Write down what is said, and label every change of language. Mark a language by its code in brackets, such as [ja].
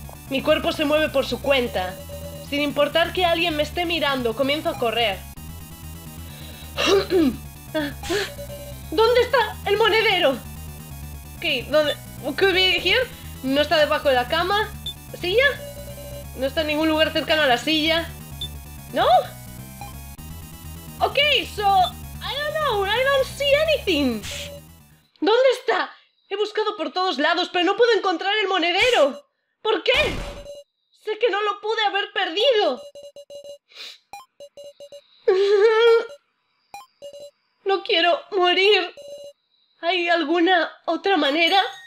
[es] Mi cuerpo se mueve por su cuenta. Sin importar que alguien me esté mirando, comienzo a correr. ¿Dónde está el monedero? Ok, ¿dónde? [en] ¿Could be here? [es] ¿No está debajo de la cama? ¿Silla? ¿No está en ningún lugar cercano a la silla? [en] ¿No? Ok, so... I don't know, I don't see anything. [es] ¿Dónde está? He buscado por todos lados, pero no puedo encontrar el monedero. ¿Por qué? Sé que no lo pude haber perdido. No quiero morir. ¿Hay alguna otra manera?